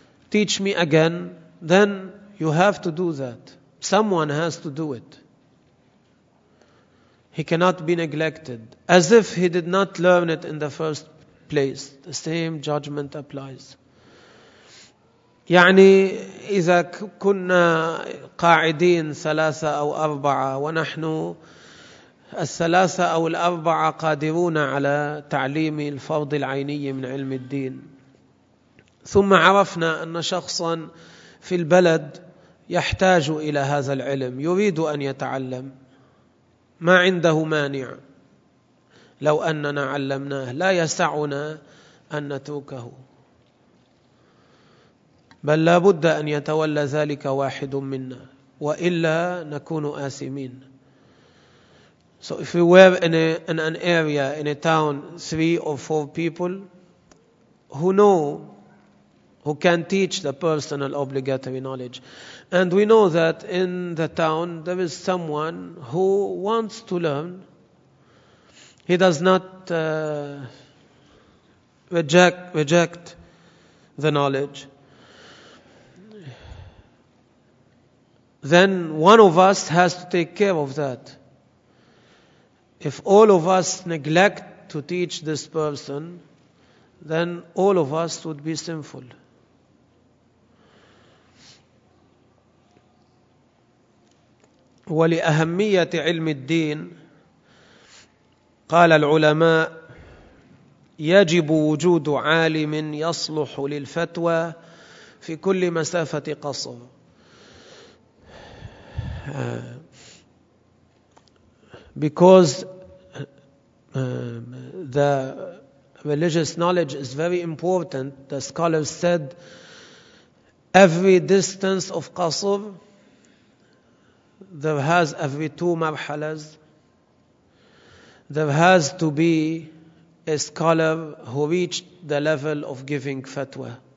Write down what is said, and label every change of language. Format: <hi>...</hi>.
<en>Teach me again. Then you have to do that. Someone has to do it. He cannot be neglected. As if he did not learn it in the first place. The same judgment applies.</en> <ar>يعني إذا كنا قاعدين ثلاثة أو أربعة ونحن الثلاثة أو الأربعة قادرون على تعليم الفرض العيني من علم الدين ثم عرفنا أن شخصا في البلد يحتاج إلى هذا العلم يريد أن يتعلم ما عنده مانع لو أننا علمناه لا يسعنا أن نتركه بل لا بد أن يتولى ذلك واحد منا وإلا نكون آثمين.</ar> <en>So if we were in an area, in a town, three or four people who know, who can teach the personal obligatory knowledge, and we know that in the town there is someone who wants to learn, he does not reject the knowledge. Then one of us has to take care of that. If all of us neglect to teach this person, then all of us would be sinful.</en> <ar>ولأهمية علم الدين قال العلماء يجب وجود عالم يصلح للفتوى في كل مسافة قصر.</ar> <en>Because the religious knowledge is very important, the scholars said, every distance of Qasr, there has every two marhalas, there has to be a scholar who reached the level of giving fatwa.</en>